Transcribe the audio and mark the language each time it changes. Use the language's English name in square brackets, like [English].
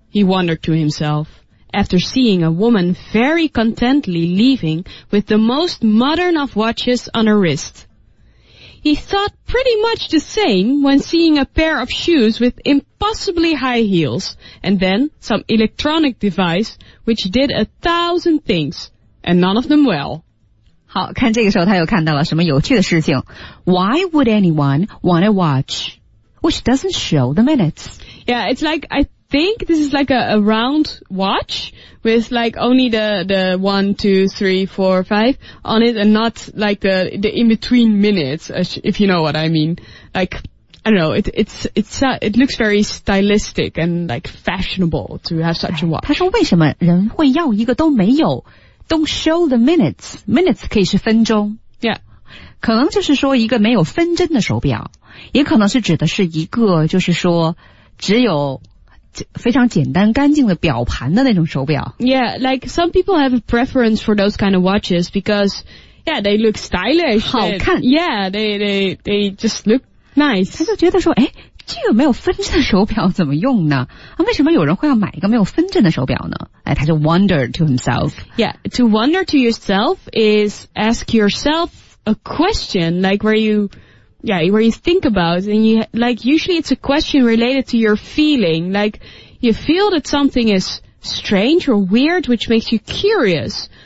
[English] He wondered to himself, after seeing a woman very contently leaving with the most modern of watches on her wrist. He thought pretty much the same when seeing a pair of shoes with impossibly high heels, and then some electronic device which did 1,000 things, and none of them well. [Chinese] 好，看这个时候他又看到了什么有趣的事情。 [English] Why would anyone want a watch which doesn't show the minutes? Yeah, it's like, I think this is like a round watch with like only the 1, 2, 3, 4, 5 on it and not like the in-between minutes, if you know what I mean. Like, I don't know, it looks very stylistic and like fashionable to have such a watch. [Chinese] 他说为什么人会要一个都没有 [English] Don't show the minutes. [Chinese] Minutes 可以是分钟。 [English] Yeah. [Chinese] 可能就是说一个没有分针的手表。也可能是指的是一个就是说只有非常简单干净的表盘的那种手表。 [English] Yeah, like some people have a preference for those kind of watches because, yeah, they look stylish. [Chinese] 好看。 [English] Yeah, they just look nice. [Chinese] 他就觉得说诶这个没有分针的手表怎么用呢？为什么有人会要买一个没有分针的手表呢？哎，他就 [English] wonder to himself. Yeah, to wonder to yourself is ask yourself a question, like where you think about, and you, like usually it's a question related to your feeling, like you feel that something is strange or weird, which makes you curious.